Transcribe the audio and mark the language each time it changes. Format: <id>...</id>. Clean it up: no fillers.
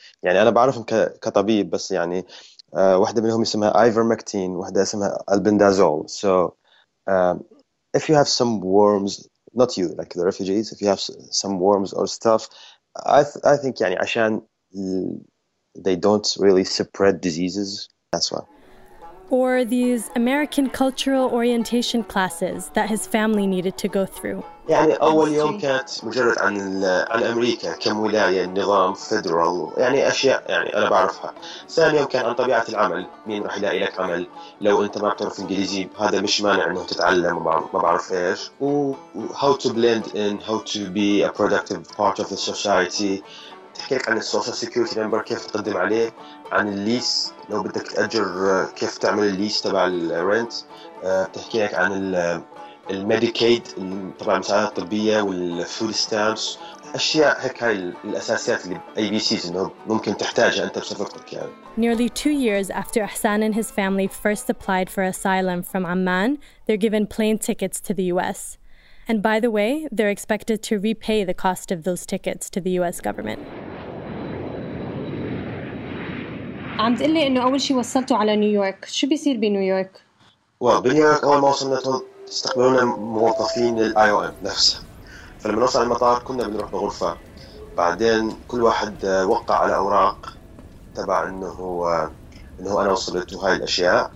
<ar>يعني أنا بعرفهم كطبيب بس يعني واحدة منهم اسمها ivermectin واحدة اسمها albendazole.</ar> <en>So if you have some worms, not you, like the refugees, if you have some worms or stuff, I think</en> <ar>يعني عشان</ar> <en>they don't really spread diseases, that's why. Or these American cultural orientation classes that his family needed to go through.</en> <ar>يعني أول يوم كانت مجرد عن الأمريكا كمولاية النظام فيدرال يعني أشياء يعني أنا بعرفها. ثاني يوم كان عن طبيعة العمل مين رح يلاقي لك عمل لو أنت ما بتعرف إنجليزي هذا مش مانع إنه تتعلم ما بعرف إيش و</ar> <en>how to blend in how to be a productive part of the society.</en> <ar>تحكي لك عن السوشيال سيكيورتي نمبر كيف تقدم عليه عن الليس لو بدك تأجر كيف تعمل الليس تبع الرنت تحكي لك عن الميديكيد طبعا المساعدة الطبية والفود ستامبس أشياء هيك هاي الأساسيات اللي أي بي سيز إنه ممكن تحتاجها أنت بسفرتك يعني.</ar> <en>Nearly 2 years after Ahsan and his family first applied for asylum from Amman, they're given plane tickets to the US. And by the way, they're expected to repay the cost of those tickets to the US government.</en> <ar>عم تقول لي إنه أول شيء وصلتوا على نيويورك، شو بيصير بنيويورك؟ Well, بنيويورك أول ما وصلنا استقبلونا موظفين الـ IOM نفسه. فلما نوصل المطار كنا بنروح بغرفة. بعدين كل واحد وقع على أوراق تبع إنه أنا وصلت وهاي الأشياء.</ar>